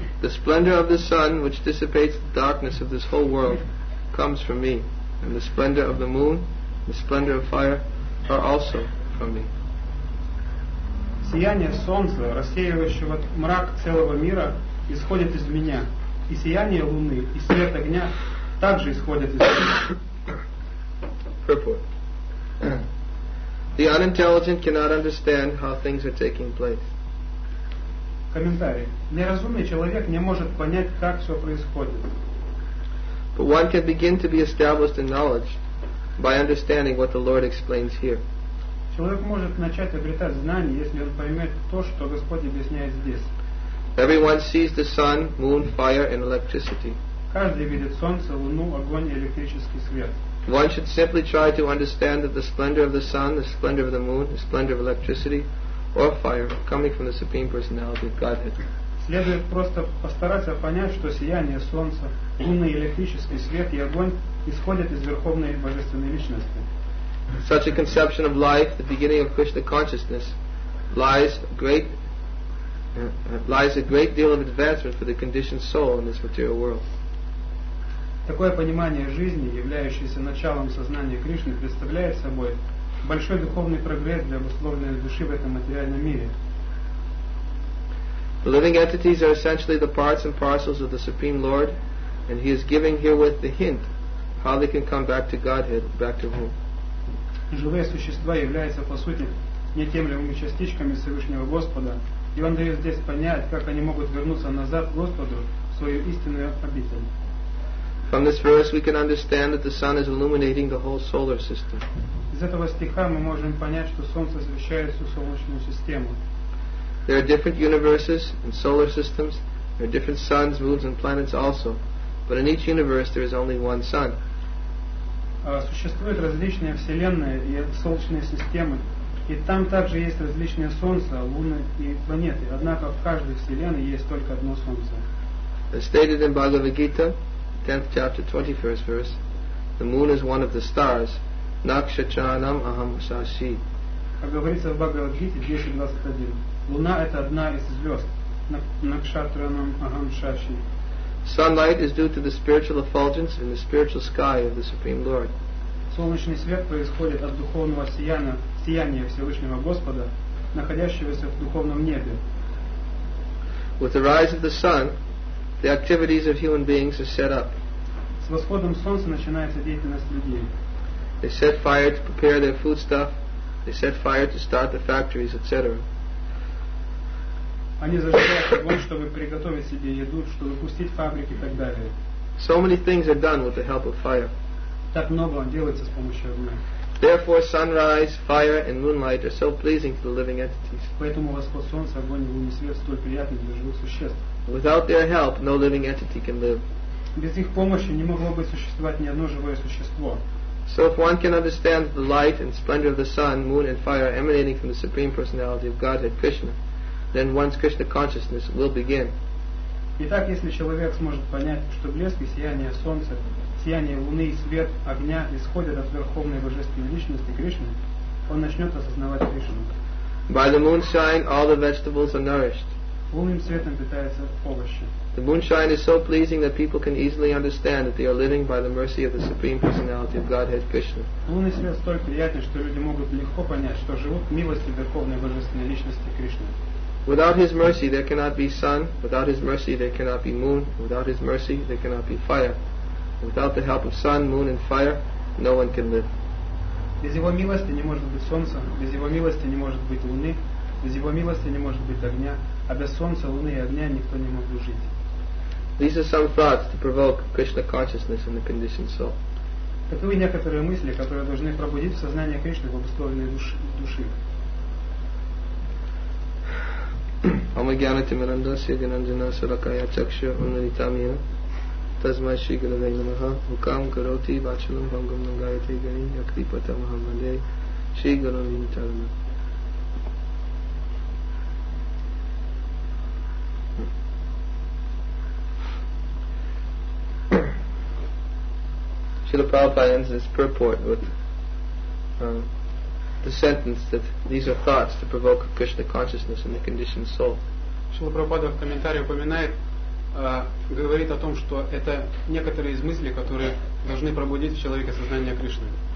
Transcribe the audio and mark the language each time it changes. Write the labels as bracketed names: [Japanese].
[English] The splendor of the sun, which dissipates the darkness of this whole world, comes from me. And the splendor of the moon, the splendor of fire, are also from me. [Russian] Сияние солнца, рассеивающего мрак целого мира, исходит из меня. И сияние луны и свет огня также исходят из меня. [English] Purport. The unintelligent cannot understand how things are taking place. [Russian] Комментарий. Неразумный человек не может понять, как все происходит. [English] But one can begin to be established in knowledge by understanding what the Lord explains here. [Russian] Человек может начать обретать знание, если он поймет то, что Господь объясняет здесь. [English] Everyone sees the sun, moon, fire, and electricity. [Russian] Каждый видит солнце, луну, огонь и электрический свет. [English] One should simply try to understand that the splendor of the sun, the splendor of the moon, the splendor of electricity, or fire, coming from the Supreme Personality of Godhead. [Russian] Следует просто постараться понять, что сияние солнца, лунный электрический свет и огонь исходят из Верховной Божественной Личности. [English] Such a conception of life, the beginning of Krishna consciousness, lies a great deal of advancement for the conditioned soul in this material world. [Russian] Такое понимание жизни, являющееся началом сознания Кришны, представляет собой большой духовный прогресс для обусловленной души в этом материальном мире. [English] The living entities are essentially the parts and parcels of the Supreme Lord, and He is giving herewith the hint how they can come back to Godhead, back to whom. [Russian] Живые существа являются по сути неотъемлемыми частичками Всевышнего Господа, и Он дает здесь понять, как они могут вернуться назад к Господу, в свою истинную обитель. [English] From this verse we can understand that the sun is illuminating the whole solar system. [Russian] Из этого стиха мы можем понять, что солнце освещает всю Солнечную систему. [English] There are different universes and solar systems. There are different suns, moons, and planets also. But in each universe, there is only one sun. [Russian] Существуют различные вселенные и солнечные системы, и там также есть различные солнца, луны и планеты. Однако в каждой вселенной есть только одно солнце. [English] As stated in Bhagavad Gita, 10th chapter, 21st verse, the moon is one of the stars. [Sanskrit] Nakshatranam aham sashi. [Russian] Как говорится в Бхагавад Гите 10.21. Луна — это одна из звезд. [Sanskrit] Накшатранам агам шаши. [English] Sunlight is due to the spiritual effulgence in the spiritual sky of the Supreme Lord. [Russian] Солнечный свет происходит от духовного сияния Всевышнего Господа, находящегося в духовном небе. [English] With the rise of the sun, the activities of human beings are set up. [Russian] С восходом солнца начинается деятельность людей. [English] They set fire to prepare their foodstuff. They set fire to start the factories, etc. [Russian] Они зажигают огонь, чтобы приготовить себе еду, чтобы пустить фабрики и так далее. [English] So many things are done with the help of fire. [Russian] Так много делается с помощью огня. [English] Therefore, sunrise, fire, and moonlight are so pleasing to the living entities. [Russian] Поэтому восход солнца, огонь и лунный свет столь приятны для живых существ. [English] Without their help, no living entity can live. [Russian] Без их помощи не могло бы существовать ни одно живое существо. [English] So if one can understand the light and splendor of the sun, moon, and fire emanating from the Supreme Personality of Godhead, Krishna, then one's Krishna consciousness will begin. [Russian] Итак, если человек сможет понять, что блеск и сияние солнца, сияние луны и свет огня исходят от Верховной Божественной Личности Кришны, он начнет осознавать Кришну. [English] By the moonshine, all the vegetables are nourished. [Russian] Лунным светом питаются овощи. [English] The moonshine is so pleasing that people can easily understand that they are living by the mercy of the Supreme Personality of Godhead, Krishna. [Russian] Лунный свет столь приятен, что люди могут легко понять, что живут в милости Верховной Божественной Личности Кришны. [English] Without His mercy, there cannot be sun. Without His mercy, there cannot be moon. Without His mercy, there cannot be fire. Without the help of sun, moon, and fire, no one can live. [Russian] Без Его милости не может быть солнца, без Его милости не может быть луны, без Его милости не может быть огня, а без солнца, луны и огня никто не может жить. [English] These are some thoughts to provoke Krishna consciousness in the conditioned soul. [Russian] Таковы некоторые мысли, которые должны пробудить в сознании Кришны в обусловленной души. [Sanskrit] Om Gyanati Mirandasya Gyananjana Sarakaya Chakshya Unnitamya тазмай ши гравей намаха, мукам гароти вачалам бхангам нагайте гани, якрипата махамаде, ши гарави нитарана. [English] Srila Prabhupada ends his purport with the sentence that these are thoughts to provoke a Krishna consciousness in the conditioned soul. [Russian] Srila Prabhupada в комментарии упоминает, говорит о том, что это некоторые из мыслей, которые должны пробудить в человеке сознание Кришны.